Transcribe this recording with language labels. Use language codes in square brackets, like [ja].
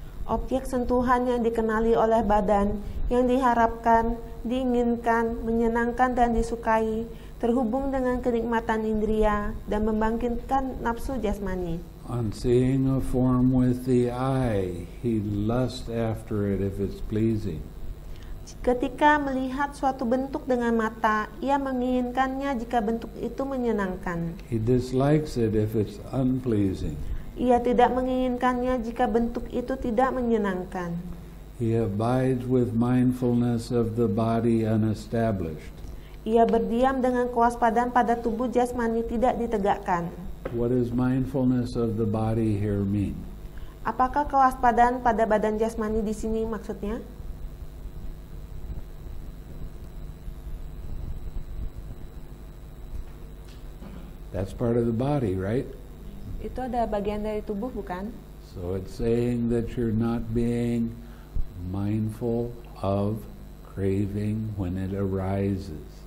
[id] Objek sentuhan yang dikenali oleh badan, yang diharapkan, diinginkan, menyenangkan dan disukai, terhubung dengan kenikmatan indria dan membangkitkan nafsu jasmani. [en] On seeing a form with the eye, he lusts after it if it's pleasing. [id] Ketika melihat suatu bentuk dengan mata, ia menginginkannya jika bentuk itu menyenangkan. [en] He dislikes it if it's unpleasing. [id] Ia tidak menginginkannya jika bentuk itu tidak menyenangkan. [en] He abides with mindfulness of the body unestablished. [id] Ia berdiam dengan kewaspadaan pada tubuh jasmani tidak ditegakkan. [en] What does mindfulness of the body here mean? [id] Apakah kewaspadaan pada badan jasmani di sini maksudnya? [en] That's part of the body, right? [id] Itu ada bagian dari tubuh, bukan? [en] So it's saying that you're not being mindful of craving when it arises.